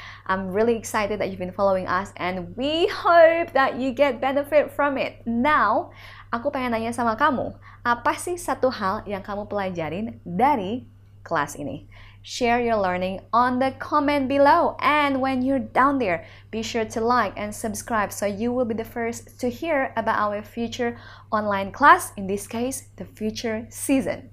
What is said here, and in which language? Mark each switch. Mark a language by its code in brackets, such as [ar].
[en] I'm really excited that you've been following us, and we hope that you get benefit from it. [id] Now, aku pengen nanya sama kamu, apa sih satu hal yang kamu pelajarin dari kelas ini? [en] share your learning on the comment below. And when you're down there, be sure to like and subscribe so you will be the first to hear about our future online class, in this case, the future season.